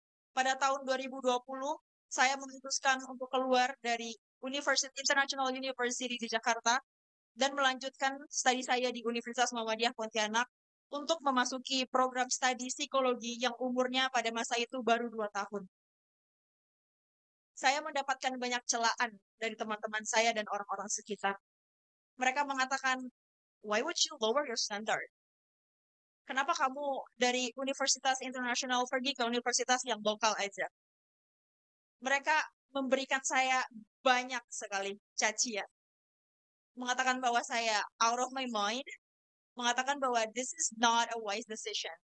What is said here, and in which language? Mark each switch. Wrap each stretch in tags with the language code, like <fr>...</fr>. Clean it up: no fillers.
<id>Pada tahun 2020, saya memutuskan untuk keluar dari International University di Jakarta dan melanjutkan studi saya di Universitas Muhammadiyah Pontianak untuk memasuki program studi psikologi yang umurnya pada masa itu baru 2 tahun. Saya mendapatkan banyak celaan dari teman-teman saya dan orang-orang sekitar. Mereka mengatakan,</id> <en>"Why would you lower your standard?</en> <id>Kenapa kamu dari Universitas Internasional pergi ke universitas yang lokal aja?" Mereka memberikan saya banyak sekali cacian. Mengatakan bahwa saya</id> <en>out of my mind,</en> <id>mengatakan bahwa</id> <en>this is not a wise decision.</en>